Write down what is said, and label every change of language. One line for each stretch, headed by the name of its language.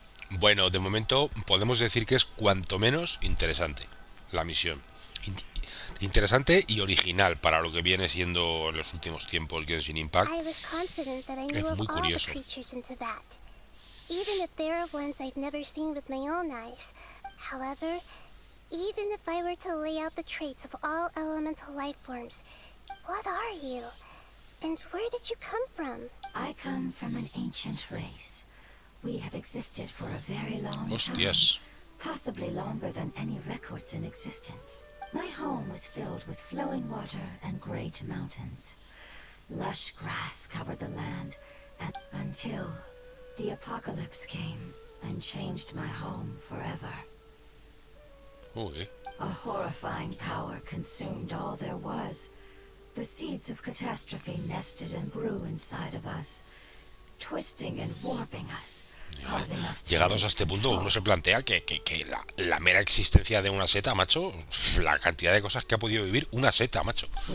Spanish: Bueno, de momento podemos decir que es cuanto menos interesante la misión. interesante y original para lo que viene siendo en los últimos tiempos Genshin Impact.
English: I was confident that I knew of all the creatures into that. Even if there are ones I've never seen with my own eyes. However, even if I were to lay out the traits of all elemental life forms, what are you? And where did you come from? I come from an ancient race. We have existed for a very long time. Possibly longer than any records in existence. My home was filled with flowing water and great mountains. Lush grass covered the land, and until the apocalypse came and changed my home forever. Okay. A horrifying power consumed all there was. The seeds of catastrophe nested and grew inside of us, twisting and warping us.
Spanish: Llegados a este punto, uno se plantea que la mera existencia de una seta, macho, la cantidad de cosas que ha podido vivir una seta, macho.